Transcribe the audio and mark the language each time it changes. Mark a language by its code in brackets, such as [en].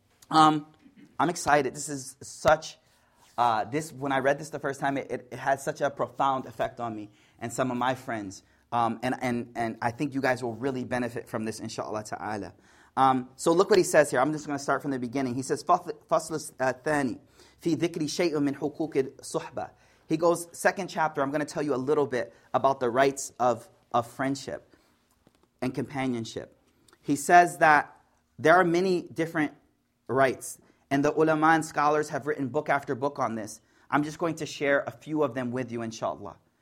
[en] I'm excited. This is such, this when I read this the first time, it had such a profound effect on me and some of my friends. And I think you guys will really benefit from this, inshallah ta'ala. So look what he says here. I'm just going to start from the beginning. He says, [ar] فَصْلُ الثَّانِي فِي ذِكْرِ شَيْءٍ مِّنْ حُقُوقِ الصُّحْبَةِ. [en] He goes, second chapter, I'm going to tell you a little bit about the rights of friendship and companionship. He says that there are many different rights, and the ulama and scholars have written book after book on this. I'm just going to share a few of them with you, inshallah.